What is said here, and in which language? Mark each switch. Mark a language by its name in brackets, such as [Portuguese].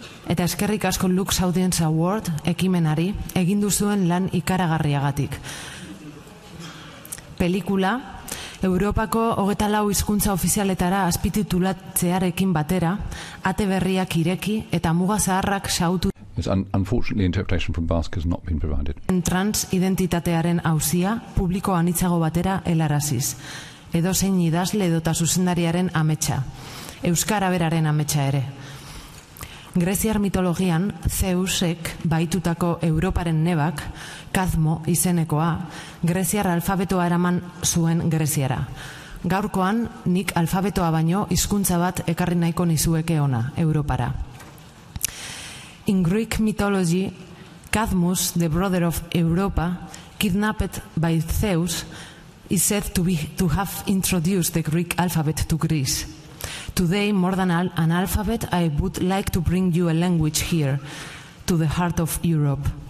[Basque] Eta eskerrik asko LUX Audience Award ekimenari egin duzuen lan ikaragarriagatik. Pelikula, Europako 24 hizkuntza ofizialetara azpititulatzearekin batera, ate berriak ireki eta muga zaharrak xautu. [English] Unfortunately, interpretation from Basque has not been provided. [Basque] Trans identitatearen auzia publiko anitzago batera helaraziz. Edozein idazle edota zuzendariaren ametsa. Euskara beraren ametsa ere. Greziar mitologian, Zeusek baitutako Europaren nebak, Kadmo izenekoa, greziar alfabetoa eraman zuen greziara. Gaurkoan, nik alfabetoa baino hizkuntza bat ekarri nahiko nizueke ona, Europara. [English] In Greek mythology, Cadmus, the brother of Europa, kidnapped by Zeus, is said to have introduced the Greek alphabet to Greece. Today, more than an alphabet, I would like to bring you a language here, to the heart of Europe.